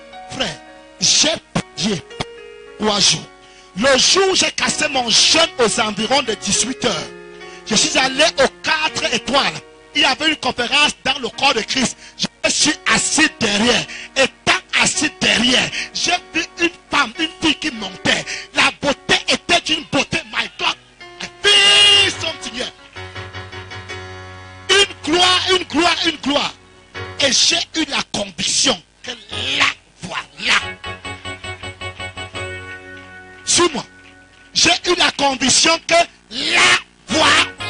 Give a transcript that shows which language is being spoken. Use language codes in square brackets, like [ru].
[fr] Frère, j'ai prié 3 jours. Le jour où j'ai cassé mon jeûne aux environs de 18 heures, je suis allé aux 4 étoiles. Il y avait une conférence dans le corps de Christ. Je me suis assis derrière. Étant assis derrière, j'ai vu une femme, une fille qui montait. La beauté était d'une beauté. [en] My God, I feel something here. [fr] Une gloire, une gloire, une gloire. Et j'ai eu la conviction que là, voilà. Suis-moi. J'ai eu la conviction que là, voilà.